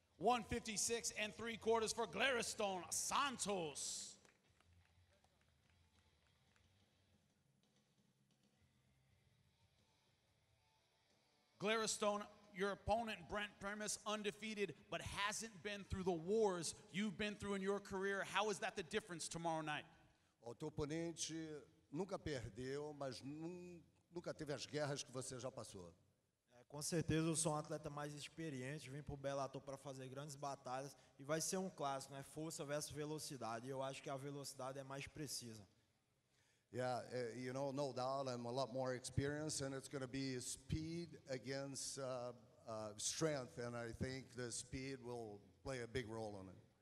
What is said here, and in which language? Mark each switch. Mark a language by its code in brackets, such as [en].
[en] .156 3/4 for Glaristone Santos. Glaristone, your opponent, Brent Primus, undefeated, but hasn't been through the wars you've been through in your career. How is that the difference tomorrow night? [pt] O teu oponente nunca perdeu, mas nunca teve as guerras que você já passou. Com certeza eu sou um atleta mais experiente, vim pro Bellator para fazer grandes batalhas e vai ser um clássico, né? Força versus velocidade. E eu acho que a velocidade é mais precisa. [en] Yeah, you know, no doubt, I'm a lot more experienced and it's going to be speed against strength and I think the speed will play a big role in it.